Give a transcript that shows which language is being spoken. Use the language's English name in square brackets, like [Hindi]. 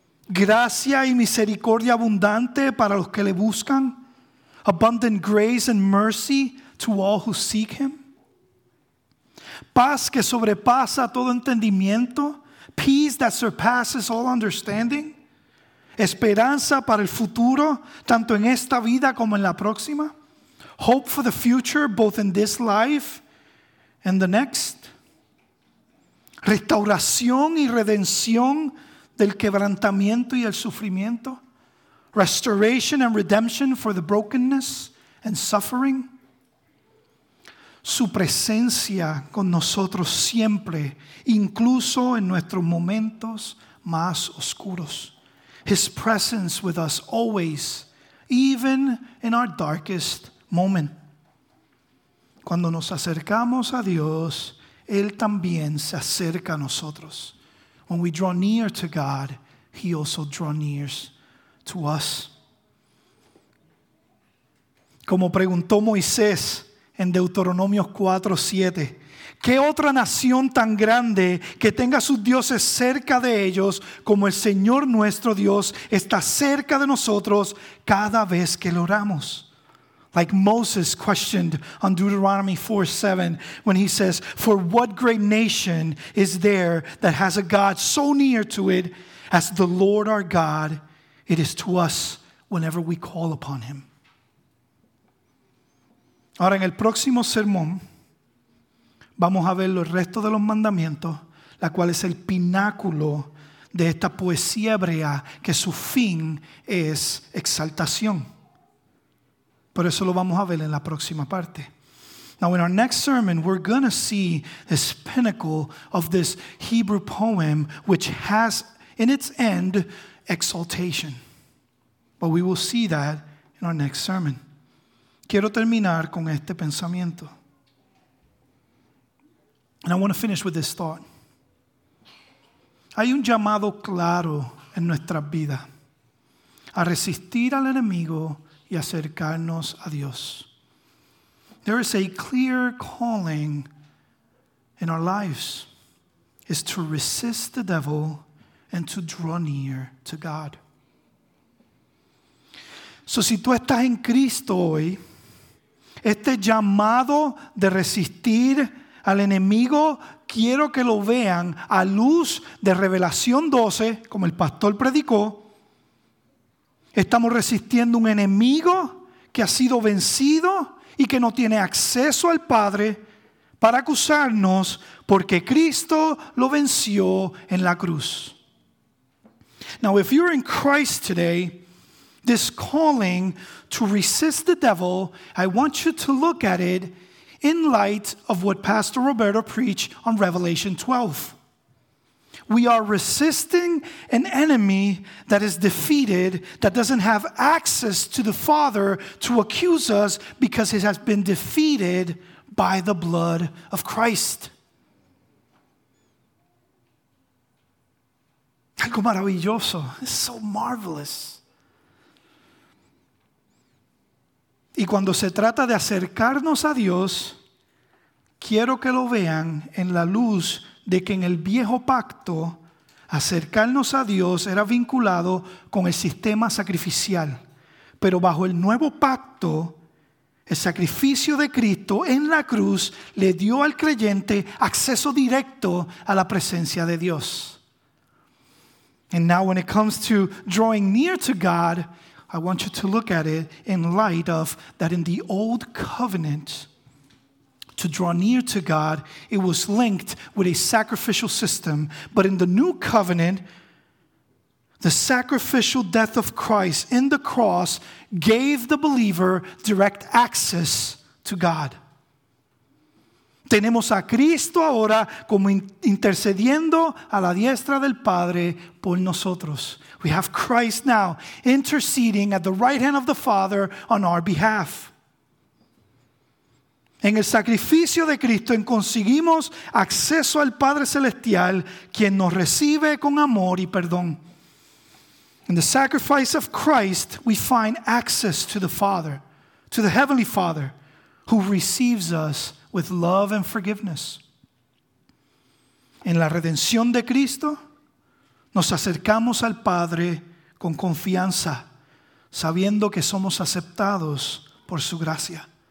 [Spanish] Gracia y misericordia abundante para los que le buscan. [English] Abundant grace and mercy to all who seek him. [Spanish] Paz que sobrepasa todo entendimiento. [English] Peace that surpasses all understanding. [Spanish] Esperanza para el futuro, tanto en esta vida como en la próxima. [English] Hope for the future, both in this life and the next. [Spanish] Restauración y redención del quebrantamiento y el sufrimiento. [English] Restoration and redemption for the brokenness and suffering. [Spanish] Su presencia con nosotros siempre, incluso en nuestros momentos más oscuros. [English] His presence with us always, even in our darkest moment. [Spanish] Cuando nos acercamos a Dios, Él también se acerca a nosotros. [English] When we draw near to God, He also draws near to us. [Spanish] Como preguntó Moisés en Deuteronomio 4:7, ¿qué otra nación tan grande que tenga sus dioses cerca de ellos como el Señor nuestro Dios está cerca de nosotros cada vez que lo oramos? [English] Like Moses questioned on Deuteronomy 4:7 when he says, for what great nation is there that has a God so near to it as the Lord our God? It is to us whenever we call upon him. [Spanish] Ahora en el próximo sermón vamos a ver los restos de los mandamientos, la cual es el pináculo de esta poesía hebrea que su fin es exaltación. Por eso lo vamos a ver en la próxima parte. [English] Now in our next sermon, we're going to see this pinnacle of this Hebrew poem, which has in its end exaltation. But we will see that in our next sermon. [Spanish] Quiero terminar con este pensamiento. [English] And I want to finish with this thought. [Spanish] Hay un llamado claro en nuestras vidas a resistir al enemigo y acercarnos a Dios. [English] There is a clear calling in our lives is to resist the devil and to draw near to God. [Spanish] So si tú estás en Cristo hoy, este llamado de resistir al enemigo, quiero que lo vean a luz de Revelación 12, como el pastor predicó. Estamos resistiendo un enemigo que ha sido vencido y que no tiene acceso al Padre para acusarnos porque Cristo lo venció en la cruz. [English] Now, if you're in Christ today, this calling to resist the devil, I want you to look at it in light of what Pastor Roberto preached on Revelation 12. We are resisting an enemy that is defeated, that doesn't have access to the Father to accuse us because he has been defeated by the blood of Christ. [Spanish] Algo maravilloso. [English] It's so marvelous. [Spanish] Y cuando se trata de acercarnos a Dios, quiero que lo vean en la luz de que en el viejo pacto, acercarnos a Dios era vinculado con el sistema sacrificial. Pero bajo el nuevo pacto, el sacrificio de Cristo en la cruz le dio al creyente acceso directo a la presencia de Dios. [English] And now when it comes to drawing near to God, I want you to look at it in light of that in the old covenant, to draw near to God, it was linked with a sacrificial system. But in the new covenant, the sacrificial death of Christ in the cross gave the believer direct access to God. [Spanish] Tenemos a Cristo ahora como intercediendo a la diestra del Padre por nosotros. [English] We have Christ now interceding at the right hand of the Father on our behalf. [Spanish] En el sacrificio de Cristo conseguimos acceso al Padre Celestial, quien nos recibe con amor y perdón. [English] In the sacrifice of Christ, we find access to the Father, to the Heavenly Father, who receives us with love and forgiveness. [Spanish] En la redención de Cristo, nos acercamos al Padre con confianza, sabiendo que somos aceptados por su gracia.